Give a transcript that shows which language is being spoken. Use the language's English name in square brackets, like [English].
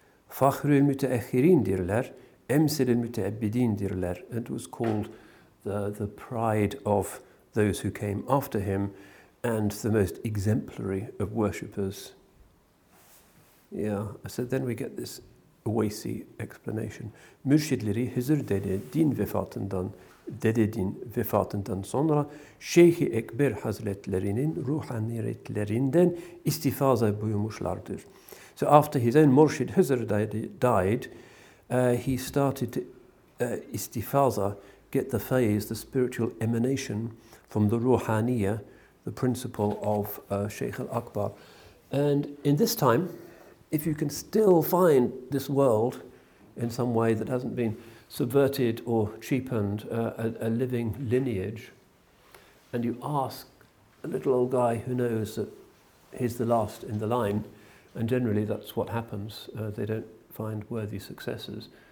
[Turkish] Fakhrül müteahhirin dirler, emsilül müteabbidin dirler. [English] It was called the pride of those who came after him and the most exemplary of worshippers. Yeah, so then we get this Uysi explanation. [Turkish] Mürşidleri Hızır Dede din vefatından, Dede din vefatından sonra Şeyh-i Ekber Hazretlerinin ruhaniyetlerinden istifaza buyurmuşlardır. [English] So after his own Murshid Hızır Dede died, he started istifaza, get the phase, the spiritual emanation from the ruhaniyya, the principle of Sheikh al-Akbar. And in this time, if you can still find this world in some way that hasn't been subverted or cheapened, a living lineage, and you ask a little old guy who knows that he's the last in the line, and generally that's what happens, they don't find worthy successors.